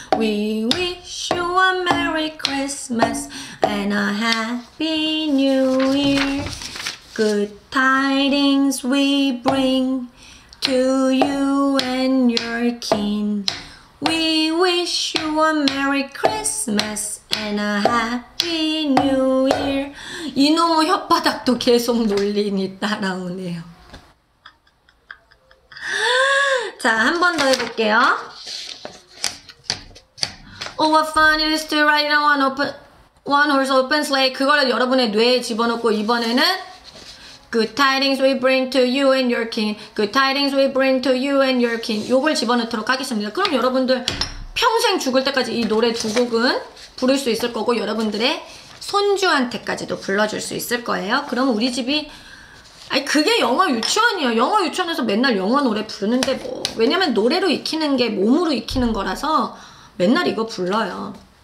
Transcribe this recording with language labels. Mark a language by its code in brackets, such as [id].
[en] We wish you a Merry Christmas and a Happy New Year. Good tidings we bring to you and your kin. We wish you a Merry Christmas and a Happy New Year. [ko] 이놈의 혓바닥도 계속 놀리니 따라오네요. 자, 한 번 더 해볼게요. [en] Oh, what fun it is to ride in one horse open sleigh. [ko] 그걸 여러분의 뇌에 집어넣고 이번에는 [en] Good tidings we bring to you and your kin. Good tidings we bring to you and your kin. [ko] 요걸 집어넣도록 하겠습니다. 그럼 여러분들 평생 죽을 때까지 이 노래 두 곡은 부를 수 있을 거고 여러분들의 손주한테까지도 불러줄 수 있을 거예요. 그럼 우리 집이, 아니 그게 영어 유치원이에요. 영어 유치원에서 맨날 영어 노래 부르는데 뭐. 왜냐면 노래로 익히는 게 몸으로 익히는 거라서 맨날 이거 불러요.